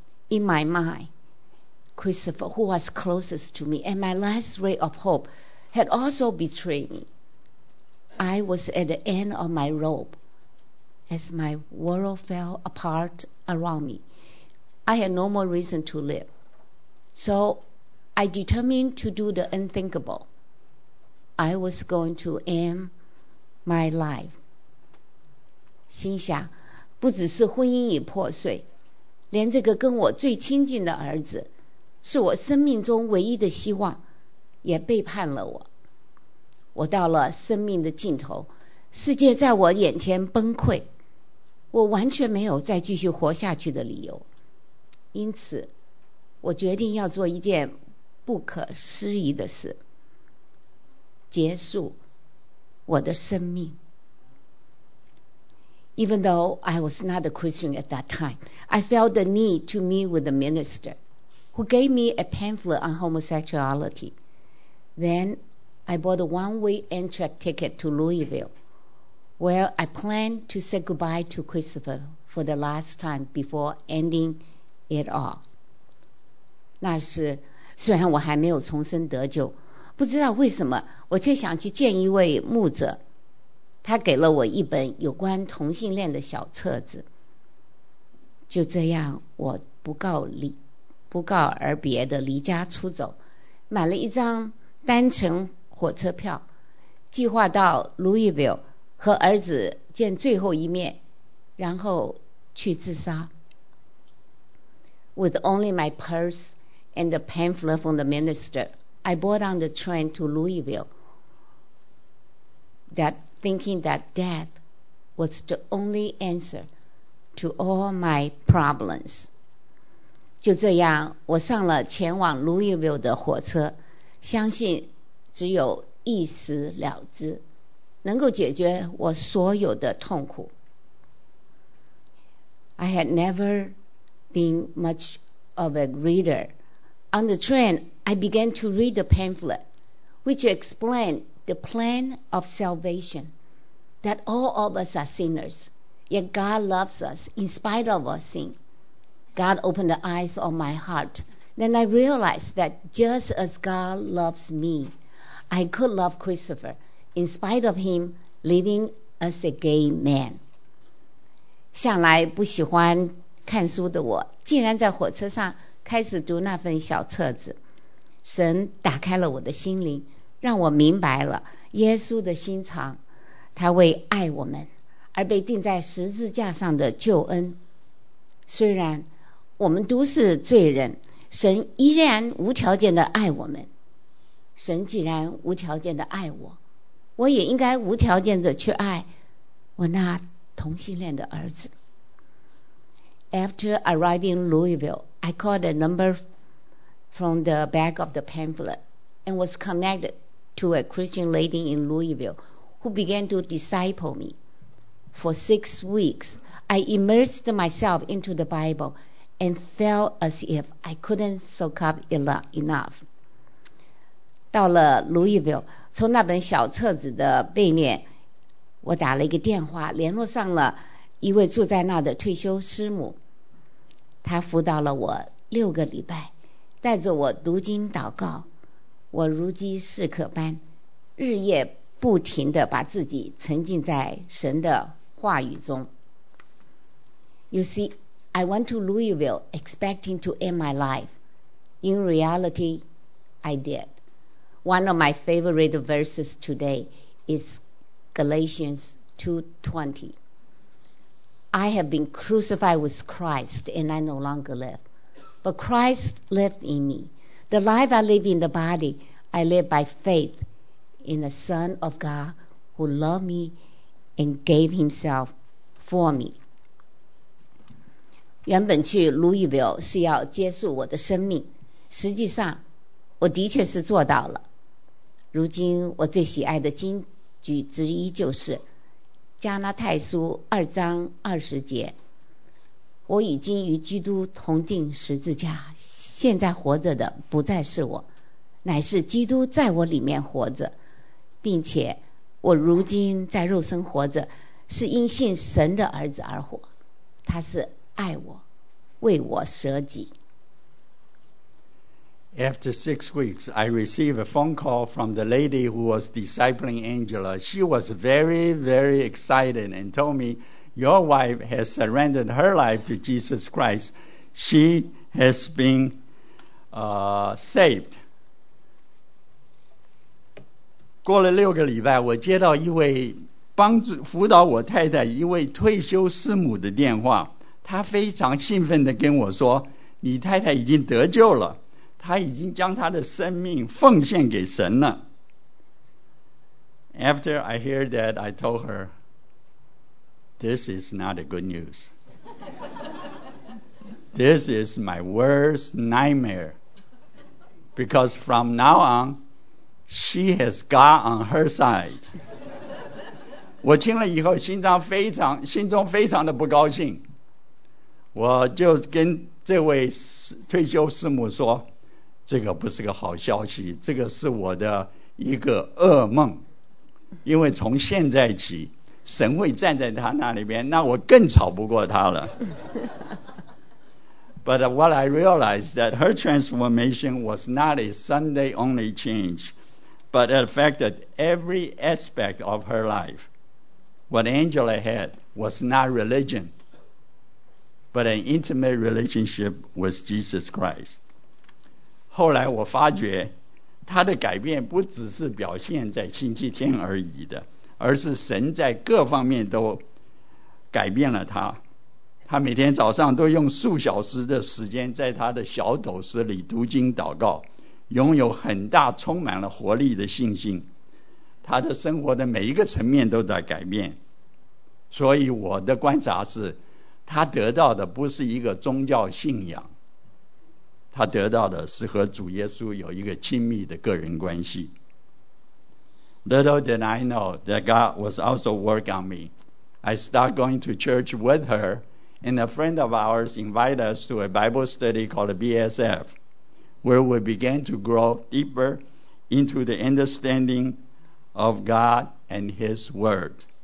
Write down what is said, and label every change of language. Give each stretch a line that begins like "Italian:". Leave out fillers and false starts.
English: In my mind, Christopher, who was closest to me and my last ray of hope, had also betrayed me. I was at the end of my rope. As my world fell apart around me, I had no more reason to live. So I determined to do the unthinkable. I was going to end my life.
Chinese: 心想，不只是婚姻已破碎，连这个跟我最亲近的儿子，是我生命中唯一的希望，也背叛了我。我到了生命的尽头，世界在我眼前崩溃，我完全没有再继续活下去的理由。因此我决定要做一件不可思议的事，结束我的生命。
English: Even though I was not a Christian at that time, I felt the need to meet with the minister who gave me a pamphlet on homosexuality. Then I bought a one-way Amtrak ticket to Louisville, where I planned to say goodbye to Christopher for the last time before ending it all.
Chinese: 那是虽然我还没有重生得救，不知道为什么我却想去见一位牧者。他给了我一本有关同性恋的小册子。就这样，我不告而别的离家出走，买了一张单程火车票，计划到 Louisville 和儿子见最后一面，然后去自杀。
English: With only my purse and a pamphlet from the minister, I bought on the train to Louisville, that thinking that death was the only answer to all my problems.
Chinese: 就这样，我上了前往 Louisville 的火车，相信只有一死了之能够解决我所有的痛苦。
English: I had never been much of a reader. On the train, I began to read the pamphlet, which explained the plan of salvation, that all of us are sinners, yet God loves us in spite of our sin. God opened the eyes of my heart. Then I realized that just as God loves me,I could love Christopher in spite of him living as a gay man.
Chinese: 向来不喜欢看书的我竟然在火车上开始读那份小册子。神打开了我的心灵，让我明白了耶稣的心肠，他为爱我们而被钉在十字架上的救恩。虽然我们都是罪人，神依然无条件地爱我们。神既然无条件的爱我，我也应该无条件的去爱我那同性恋的儿子。
English: After arriving Louisville, I called a number from the back of the pamphlet and was connected to a Christian lady in Louisville who began to disciple me. For 6 weeks, I immersed myself into the Bible and felt as if I couldn't soak up enough.
Chinese: 到了 Louisville, 从那本小册子的背面，我打了一个电话，联络上了一位住在那的退休师母。他辅导了我6个礼拜，带着我读经祷告，我如饥似渴般日夜不停地把自己沉浸在神的话语中。
English: You see, I went to Louisville expecting to end my life. In reality, I diddid. One of my favorite verses today is Galatians 2:20. I have been crucified with Christ, and I no longer live, But Christ lives in me. The life I live in the body, I live by faith in the Son of God who loved me and gave himself for me.
Chinese: 原本去 Louisville 是要结束我的生命，实际上我的确是做到了。如今我最喜爱的经句之一就是加拉太书二章二十节，我已经与基督同钉十字架，现在活着的不再是我，乃是基督在我里面活着，并且我如今在肉身活着，是因信神的儿子而活，他是爱我，为我舍己。
English: After 6 weeks, I received a phone call from the lady who was discipling Angela. She was very, very excited and told me, "Your wife has surrendered her life to Jesus Christ. She has been saved."
Chinese: 过了六个礼拜，我接到一位帮助辅导我太太一位退休师母的电话。他非常兴奋地跟我说，你太太已经得救了，他已经将他的生命奉献给神了。
English: After I hear that, I told her, "This is not a good news. This is my worst nightmare. Because from now on, she has God on her side."
Chinese: 我听了以后心中非常的不高兴，我就跟这位退休师母说，这个不是个好消息，这个是我的一个噩梦，因为从现在起神会站在他那里边，那我更吵不过他了。
English: But what I realized that her transformation was not a Sunday only change, but it affected every aspect of her life. What Angela had was not religionBut an intimate relationship with Jesus Christ.
Chinese: 后来我发觉他的改变不只是表现在星期天而已的，而是神在各方面都改变了他。他每天早上都用数小时的时间在他的小斗室里读经祷告，拥有很大充满了活力的信心，他的生活的每一个层面都在改变。所以我的观察是，他得到的不是一个宗教信仰，他得到的是和主耶稣有一个亲密的个人关系。
English: Little did I know that God was also working on me. I started going to church with her, and a friend of ours invited us to a Bible study called BSF, where we began to grow deeper into the understanding of God and His Word.